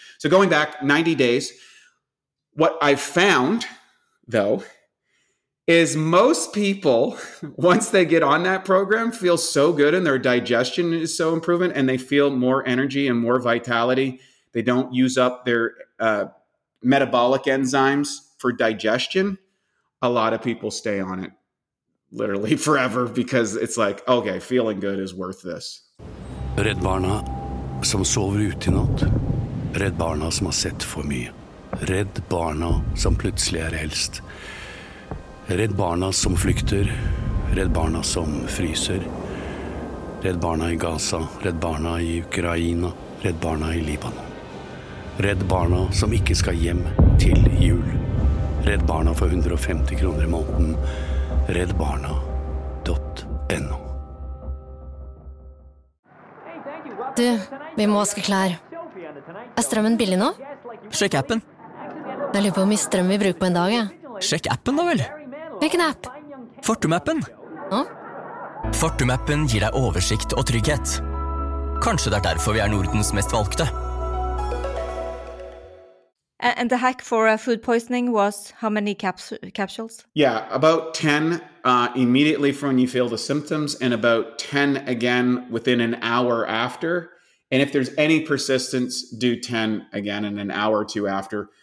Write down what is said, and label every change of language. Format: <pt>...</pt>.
<en>So going back 90 days, what I've found, though, is most people, once they get on that program, feel so good and their digestion is so improving and they feel more energy and more vitality. They don't use up their metabolic enzymes for digestion. A lot of people stay on it literally forever because it's like, okay, feeling good is worth this.</en> <no>Redd Barna, som sover ute I natt. Redd Barna, som har sett for mye. Redd Barna, som plutselig helst. Redd Barna, som flykter. Redd Barna, som fryser. Redd Barna I Gaza. Redd Barna I Ukraina. Redd Barna I Libanon. Redd Barna, som ikke skal hjem til jul. Redd Barna for 150 kroner I måneden. Reddbarna.no. Du, vi må vaske klær. Strømmen billig nå? Sjekk appen. Jeg lurer på hvor mye strøm vi bruker på en dag, ja. Sjekk appen da vel. Hvilken app? Fortum-appen. Nå? Fortum-appen gir deg oversikt og trygghet. Kanskje det derfor vi Nordens mest valgte.</no> <en>And the hack for food poisoning was how many capsules? Yeah, about 10 immediately from when you feel the symptoms and about 10 again within an hour after. And if there's any persistence, do 10 again in an hour or two after.</en>